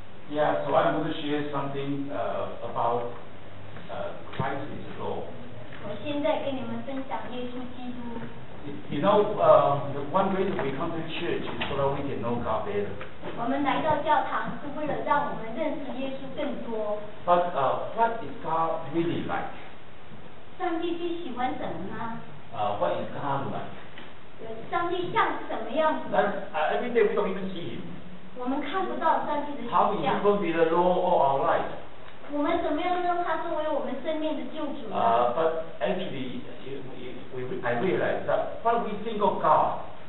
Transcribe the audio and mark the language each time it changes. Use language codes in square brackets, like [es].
[en] Yeah, so I'm going to share something about Christ's law. [zh] 我现在跟你们分享耶稣基督。 [en] You know, the one way that we come to church is so that we can know God better. [zh] 我们来到教堂是为了让我们认识耶稣更多。 [en] But what is God really like? [zh] 上帝是喜欢怎么呢? [en] What is God like? [zh] 上帝像什么样子? [en] Every day we don't even see him. [zh] 我们看不到上帝的形象。 [en] How is he going to be the Lord all our life? [zh] 我们怎么样让他作为我们生命的救主呢? [en] But actually, I realize that what we think of God,